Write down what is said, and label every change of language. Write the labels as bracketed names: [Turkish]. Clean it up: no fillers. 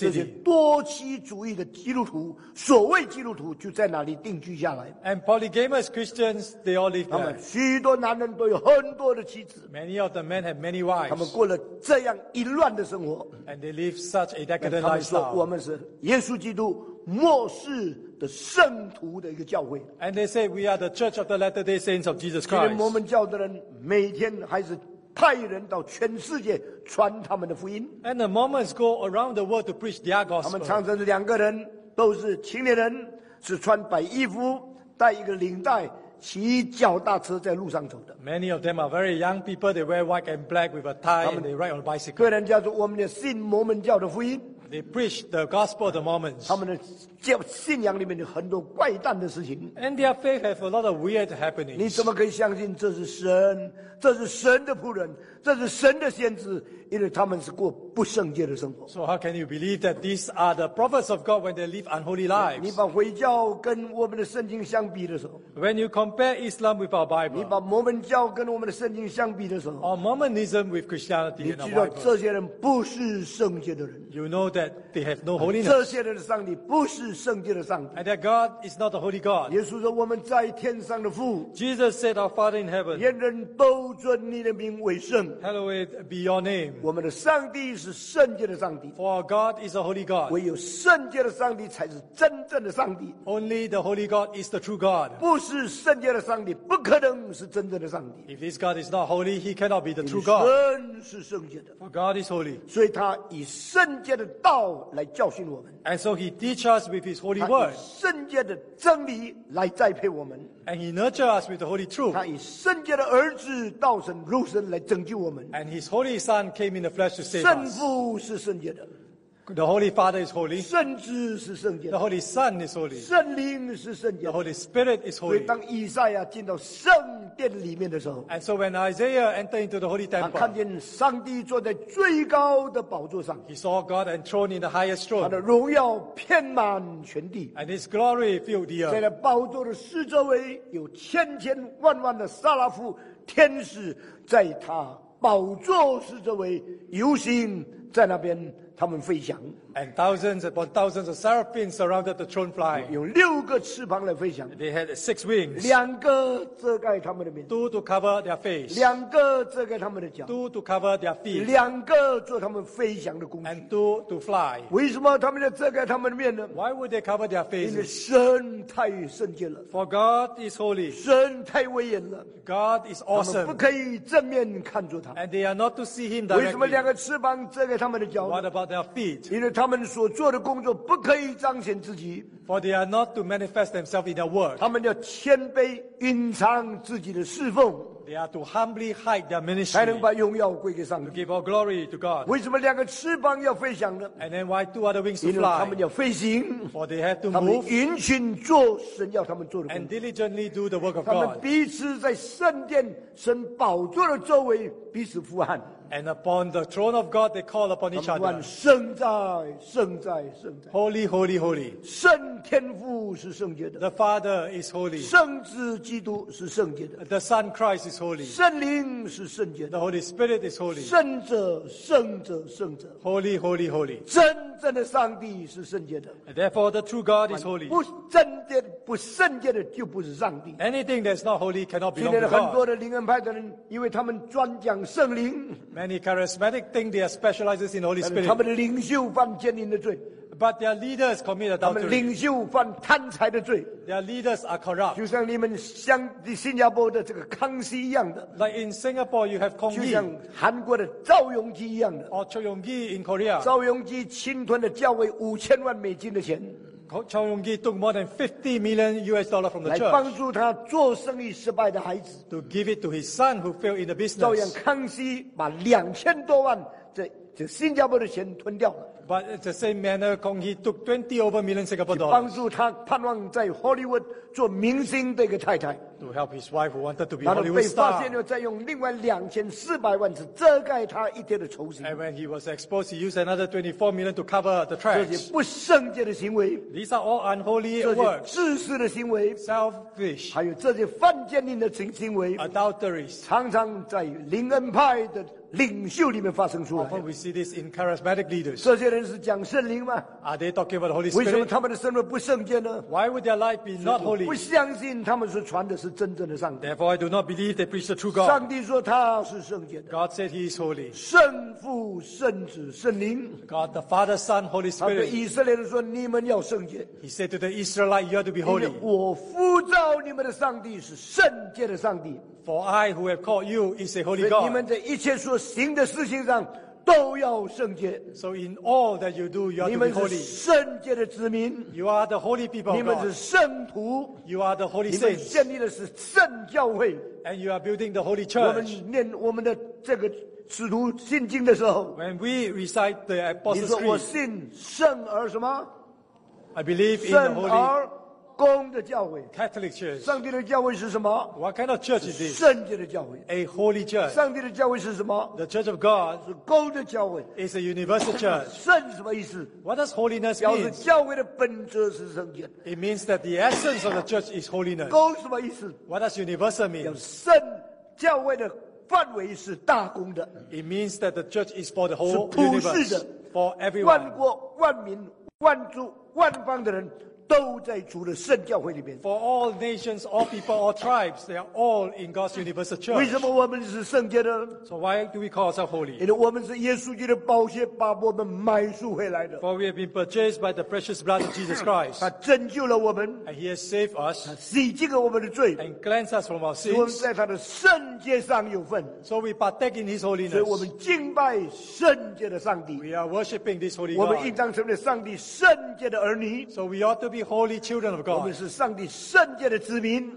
[Chinese] 这些多妻主义的基督徒所谓基督徒就在那里定居下来 [English] and polygamous Christians they all live there [Chinese] 他们许多男人都有很多的妻子 [English] many of the men have many wives [Chinese] 他们过了这样一乱的生活 [English] and they live such a decadent lifestyle [Chinese] 他们说我们是耶稣基督末世的圣徒的一个教会 [English] and they say we are the church of the latter day saints of Jesus Christ [Chinese] 今天摩门教的人每天还是派人到全世界传他们的福音 [English] and the Mormons go around the world to preach their gospel [Chinese] 他们常常是两个人都是青年人是穿白衣服带一个领带骑脚踏车在路上走的 [English] many of them are very young people they wear white and black with a tie and they ride on a bicycle [Chinese] 个人叫做我们的信摩门教的福音 [English] They preach the gospel of the Mormons. [Chinese] 他们的信仰里面有很多怪诞的事情。 [English] And their faith has a lot of weird happenings. [Chinese] 你怎么可以相信这是神？这是神的仆人，这是神的先知，因为他们是过不圣洁的生活。 [English] So how can you believe that these are the prophets of God when they live unholy lives? [Chinese] 你把回教跟我们的圣经相比的时候 [English] ，When you compare Islam with our Bible， [Chinese] 你把摩门教跟我们的圣经相比的时候 [English] ，Or Mormonism with Christianity and our Bible， [Chinese] 你知道这些人不是圣洁的人。 [English] You know that they have no holiness。 [Chinese] 这些人的上帝不是圣洁的上帝。 [English] And that God is not a holy God。 [Chinese] 耶稣说我们在天上的父 [English] ，Jesus said our Father in heaven。 [Chinese] 人人都尊你的名为圣。 [English] Hallowed be your name。 [Chinese] 我们的上帝是圣洁的上帝 [English] For God is a holy God [Chinese] 唯有圣洁的上帝才是真正的上帝 [English] Only the holy God is the true God [Chinese] 不是圣洁的上帝不可能是真正的上帝 [English] If this God is not holy He cannot be the true God [Chinese] 神是圣洁的 [English] For God is holy [Chinese] 所以他以圣洁的道来教训我们 [English] And so he teach us with his holy word [Chinese] 他以圣洁的真理来栽培我们 [English] And he nurture us with the holy truth [Chinese] 他以圣洁的儿子道成肉身来拯救我们 [English] And his holy son came in the flesh to save us [Chinese] 圣父是圣洁的 [English] The Holy Father is holy. [Chinese] 圣子是圣洁。 [English] The Holy Son is holy. [Chinese] 圣灵是圣洁。 [English] The Holy Spirit is holy. [Chinese] 所以当以赛亚进到圣殿里面的时候 [English] ，And so when Isaiah entered into the holy temple, [Chinese] 他看见上帝坐在最高的宝座上。 [English] He saw God enthroned in the highest throne. [Chinese] 他的荣耀遍满全地。 [English] And His glory filled the earth. [Chinese] 在那宝座的四周围有千千万万的撒拉夫天使在他宝座四周围游行，在那边。他们飞翔 [English] ，and thousands upon thousands of seraphim surrounded the throne flying. [Chinese] 用六个翅膀来飞翔。 [English] They had six wings. [Chinese] 两个遮盖他们的面。 [English] Two to cover their face. [Chinese] 两个遮盖他们的脚。 [English] Two to cover their feet. [Chinese] 两个做他们飞翔的工具。 [English] And two to fly. [Chinese] 为什么他们要遮盖他们的面呢 [English] ？Why would they cover their faces? [Chinese] 因为神太圣洁了。 [English] For God is holy. [Chinese] 神太威严了。 [English] God is awesome. [Chinese] 他们不可以正面看着他。 [English] And they are not to see him directly. [Chinese] 为什么两个翅膀遮盖他们的脚 [English] ？What about their feet. [Chinese] 因为他们所做的工作不可以彰显自己。 [English] For they are not to manifest themselves in their work. [Chinese] 他们要谦卑，隐藏自己的侍奉。 [English] They are to humbly hide their ministry. [Chinese] 才能把荣耀归给上帝。 [English] To give all glory to God. [Chinese] 为什么两个翅膀要飞翔呢 [English] ？And then why two other wings to fly? [Chinese] 因为他们要飞行。 [English] For they have to move. [Chinese] 他们殷勤做神要他们做的工作。 [English] And diligently do the work of God. [Chinese] 他们彼此在圣殿、神宝座的周围彼此呼喊。 [English] And upon the throne of God, they call upon each other. [Chinese] 圣哉，圣哉，圣哉。 [English] Holy, holy, holy. [Chinese] 圣天父是圣洁的。 [English] The Father is holy. [Chinese] 圣子基督是圣洁的。 [English] The Son Christ is holy. [Chinese] 圣灵是圣洁的。 [English] The Holy Spirit is holy. [Chinese] 圣者，圣者，圣者。 [English] Holy, holy, holy. [Chinese] 真正的上帝是圣洁的。 [English] Therefore, the true God is holy. [Chinese] 不真的，不圣洁的就不是上帝。 [English] Anything that is not holy cannot belong to God. [Chinese] 现在很多的灵恩派的人，因为他们专讲圣灵。 [English] Many charismatic think they are specializes in Holy Spirit. [Chinese] 他们的领袖犯奸淫的罪。 [English] But their leaders commit adultery. [Chinese] 他们领袖犯贪财的罪。 [English] Their leaders are corrupt. [Chinese] 就像你们像新加坡的这个康熙一样的。 [English] Like in Singapore, you have Kong Lee. [Chinese] 就像韩国的赵永基一样的。 [English] Or Cho Yong Ki in Korea. [Chinese] 赵永基侵吞了教会$50,000,000的钱。 [English] Cho Yong Ki took more than $50 million from the church. [Chinese] 来帮助他做生意失败的孩子。 [English] To give it to his son who failed in the business. [Chinese] 照样康熙把2,000,000,000这新加坡的钱吞掉了。 [English] But in the same manner, Kong Hee took $20 over million Singapore dollars. [Chinese] 去帮助他盼望在 Hollywood 做明星的一个太太。 [English] To help his wife who wanted to be Hollywood star. [Chinese] 然后被发现了，再用另外2,400,000是遮盖他一天的酬勤。 [English] And when he was exposed, he used another $24 million to cover the tracks. [Chinese] 这些不圣洁的行为。 [English] These are all unholy works. [Chinese] 这些自私的行为。 [English] Selfish. [Chinese] 还有这些犯奸淫的行为。 [English] Adulteries. [Chinese] 常常在灵恩派的。领袖里面发生出来。 [English] Often we see this in charismatic leaders. [Chinese] 这些人是讲圣灵吗 [English] ？Are they talking about the Holy Spirit? [Chinese] 为什么他们的生活不圣洁呢 [English] ？Why would their life be not holy? [Chinese] 不相信他们是传的是真正的上帝。 [English] Therefore, I do not believe they preach the true God. [Chinese] 上帝说他是圣洁的。 [English] God said he is holy. [Chinese] 圣父、圣子、圣灵。 [English] God the Father, Son, Holy Spirit. [Chinese] 他对以色列人说：“你们要圣洁。 [English] ”He said to the Israelites, "You are to be holy." [Chinese] 我呼召你们的上帝是圣洁的上帝。 [English] For I who have called you is a holy God. [Chinese] 你们在一切所行的事情上都要圣洁。 [English] So in all that you do, you are to be holy. [Chinese] 你们是圣洁的子民。 [English] You are the holy people of God. [Chinese] 你们是圣徒。 [English] You are the holy saints. [Chinese] 你们建立的是圣教会。 [English] And you are building the holy church. [Chinese] 我们念我们的这个使徒信经的时候。 [English] When we recite the apostles' creed. [Chinese] 你说我信圣而什么 [English] ？I believe in the holy. [Chinese] 公的教会 [English] Catholic Church [Chinese] 上帝的教会是什么 [English] What kind of church is this [Chinese] 圣洁的教会 [English] A holy church [Chinese] 上帝的教会是什么 [English] The Church of God [Chinese] 是公的教会 [English] It's a universal church [Chinese] 圣什么意思 [English] What does holiness [Chinese] 表示教会的本质是圣洁 [English] It means that the essence of the church is holiness [Chinese] 公什么意思 [English] What does universal mean [Chinese] 圣教会的范围是大公的 [English] It means that the church is for the whole [Chinese] universe 是普世的 [English] For everyone [Chinese] 万国万民万族万邦的人都在主的圣教会里面。 [English] For all nations, all people, all tribes, they are all in God's universal church. [Chinese] 为什么我们是圣洁的 [English] ？So why do we call ourselves holy? [Chinese] 因为我们是耶稣基督的宝血把我们买赎回来的。 [English] For we have been purchased by the precious blood of Jesus Christ. [Chinese] 他拯救了我们。 [English] And he has saved us. [Chinese] 他洗净了我们的罪。 [English] And cleansed us from our sins. [Chinese] 我们在他的圣洁上有份。 [English] So we partake in his holiness. [Chinese] 所以我们敬拜圣洁的上帝。 [English] We are worshiping this holy God. [Chinese] 我们应当成为上帝圣洁的儿女。 [English] So we ought to be be holy children of God. [Chinese] 我们是上帝圣洁的子民。